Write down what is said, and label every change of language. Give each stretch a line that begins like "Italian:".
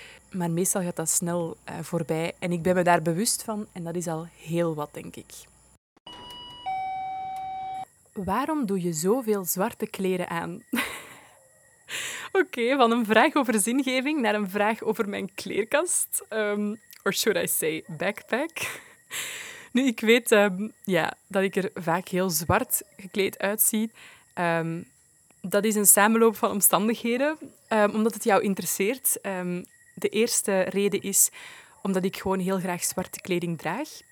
Dutch: Maar meestal gaat dat snel voorbij en ik ben me daar bewust van en dat is al heel wat, denk ik. Waarom doe je zoveel zwarte kleren aan? Oké, van een vraag over zingeving naar een vraag over mijn kleerkast.
English: Or should I say backpack?
Dutch: Nu, ik weet dat ik er vaak heel zwart gekleed uitzie. Dat is een samenloop van omstandigheden, omdat het jou interesseert. De eerste reden is omdat ik gewoon heel graag zwarte kleding draag.